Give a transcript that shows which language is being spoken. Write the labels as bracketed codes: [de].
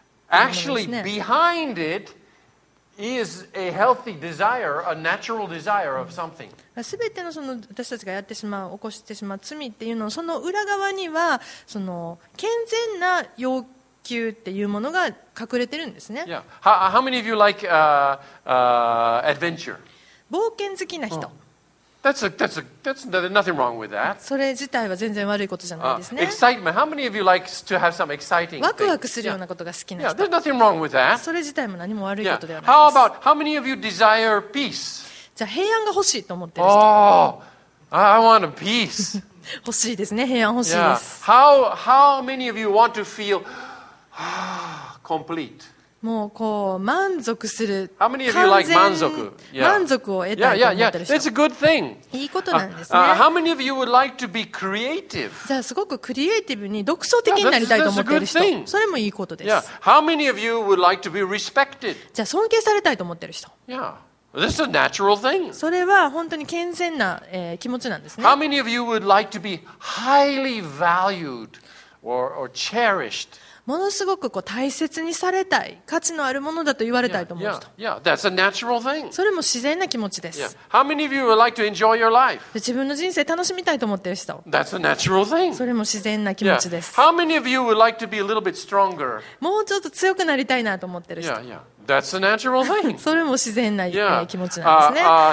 [en] actually behind it is a healthy desire, a natural desire of something. [ja] 全て の, その私たちがやってしまう起こしてしまう罪っていうのをその裏側にはその健全な要求っていうものが隠れてるんですね。 Yeah. [en] How many of you like adventure? [ja] 冒険好きな人、oh. [en] That's nothing wrong with that. [ja] それ自体は全然悪いことじゃないですね。 [en] Excitement. How many of you like to have some exciting things? [ja] ワクワクするようなことが好きな人。 [en] Yeah, there's nothing wrong with that. [ja] それ自体も何も悪いことではないです。 [en] How about how many of you desire peace? [ja] じゃあ平安が欲しいと思ってる [en] 人。Oh, I want a peace. [ja] 欲しいですね。平安欲しいです。 Yeah. [en] How many of you want to feel complete? [ja] もうこう満足する [en] How many of you like [ja] 完全満足を得たいと思ってる人 [en] It's a good thing. [ja] いいことなんですね。 [en] How many of you would like to be creative? [ja] じゃあすごくクリエイティブに独創的になりたいと思ってる人 [en] that's a good thing. [ja] それもいいことです。 Yeah. [en] How many of you would like to be respected? [ja] じゃあ尊敬されたいと思ってる人 [en] Yeah. This is a natural thing. [ja] それは本当に健全な、気持ちなんですね。 [en] How many of you would like to be highly valued or cherished? [ja] ものすごくこう大切にされたい、価値のあるものだと言われたいと思う人。 [en] That's a natural thing. [ja] それも自然な気持ちです。 Yeah. [en] How many of you would like to enjoy your life? [ja] 自分の人生楽しみたいと思っている人。 [en] That's a natural thing. [ja] それも自然な気持ちです。 [en] How many of you would like to be a little bit stronger? [ja] もうちょっと強くなりたいなと思っている人。 [en] That's a natural thing. [ja] それも自然な気持ちなんですね。